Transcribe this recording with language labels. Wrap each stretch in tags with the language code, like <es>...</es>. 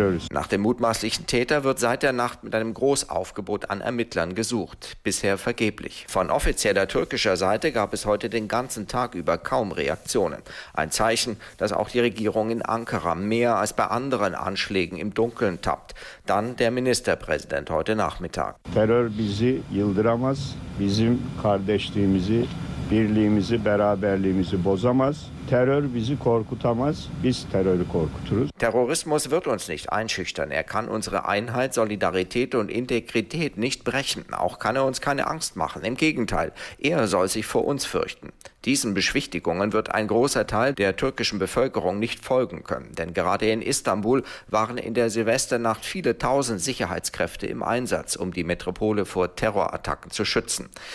<de>Nach dem mutmaßlichen Täter wird seit der Nacht mit einem Großaufgebot an Ermittlern gesucht. Bisher vergeblich. Von offizieller türkischer Seite gab es heute den ganzen Tag über kaum Reaktionen. Ein Zeichen, dass auch die Regierung in Ankara mehr als bei anderen Anschlägen im Dunkeln tappt. Dann der Ministerpräsident heute Nachmittag.</de> <tr>Terror bizi yıldıramaz, bizim kardeşliğimizi, birliğimizi, beraberliğimizi bozamaz. Terror bizi korkutamaz, biz terörü korkuturuz.</tr> <de>Terrorismus wird uns nicht einschüchtern. Er kann unsere Einheit, Solidarität und Integrität nicht brechen. Auch kann er uns keine Angst machen. Im Gegenteil, er soll sich vor uns fürchten. Diesen Beschwichtigungen wird ein großer Teil der türkischen Bevölkerung nicht folgen können. Denn gerade in Istanbul waren in der Silvesternacht viele tausend Sicherheitskräfte im Einsatz, um die Metropole vor Terrorattacken zu schützen.</de>